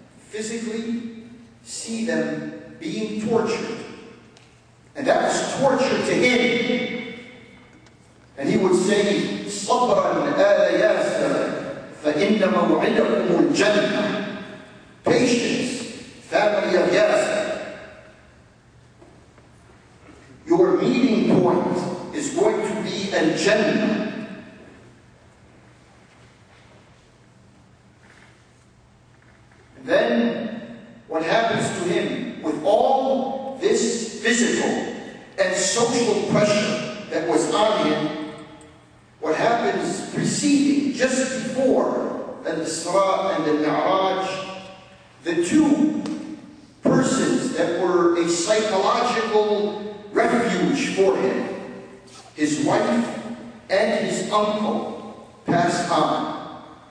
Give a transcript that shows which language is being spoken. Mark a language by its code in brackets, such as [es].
[en] physically see them being tortured. And that was torture to him. And he would say, [ar] صَبْرًا آلَ يَاسَرَ فَإِنَّ مَوْعِدَكُمُ الْجَنَّةِ. [en] Patience, family of Yasser. Your meeting point is going to be Al-Jannah. Then, what happens to him with all this physical and social pressure that was on him, what happens preceding, just before the Isra and the Mi'raj, the two persons that were a psychological refuge for him, his wife and his uncle, passed on.